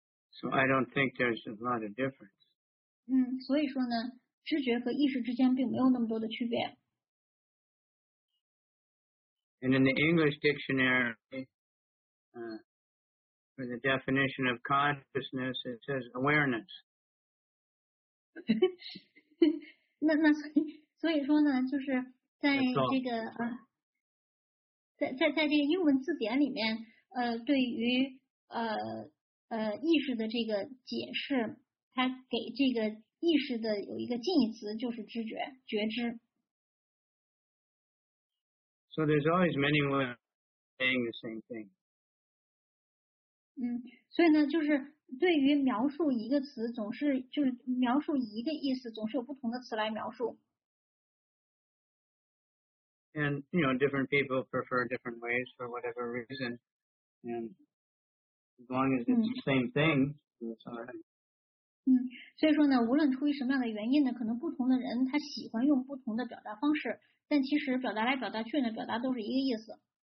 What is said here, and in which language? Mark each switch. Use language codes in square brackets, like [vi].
[en] So I don't think there's a lot of difference. [zh] 所以说呢，知觉和意识之间并没有那么多的区别。 [en] And in the English dictionary, for the definition of consciousness, it says awareness. [zh] 那所以说呢，就是在这个在这个英文字典里面，对于意识的这个解释，它给这个意识的有一个近义词，就是知觉、觉知。 [en] So there's always many ways of saying the same thing. [zh] 所以呢，就是。对于描述一个词，总是就是描述一个意思，总是有不同的词来描述。 [en] And you know, different people prefer different ways for whatever reason. And as long as it's the same thing, it's all right. [zh] 所以说呢，无论出于什么样的原因呢，可能不同的人他喜欢用不同的表达方式，但其实表达来表达去呢，表达都是一个意思。